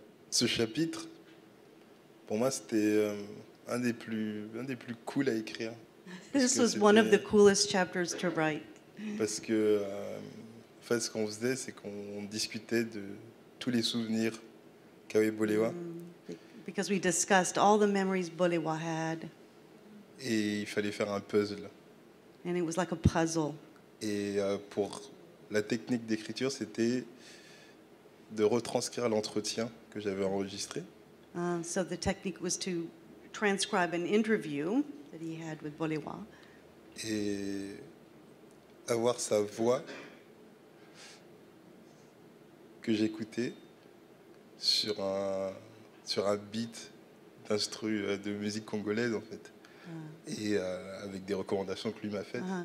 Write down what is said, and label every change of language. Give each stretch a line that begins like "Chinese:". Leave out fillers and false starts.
French: Ce chapitre, pour moi, c'était un des plus cool à écrire.
English: This was one of the coolest chapters to write.
French: Parce que, en fait, ce qu'on faisait, c'est qu'on discutait de tous les souvenirs qu'avait Bolewa.
English: Because we discussed all the memories Bolewa had.
French: Et il fallait faire un puzzle.
English: And it was like a puzzle.
French: Et pour la technique d'écriture, c'était de retranscrire l'entretien que j'avais enregistré.
English: So the technique was to transcribe an interview that he had with Bolewa.
French: Et avoir sa voix que j'écoutais sur un beat d'instru de musique congolaise en fait. Et avec des recommandations que lui m'a faites.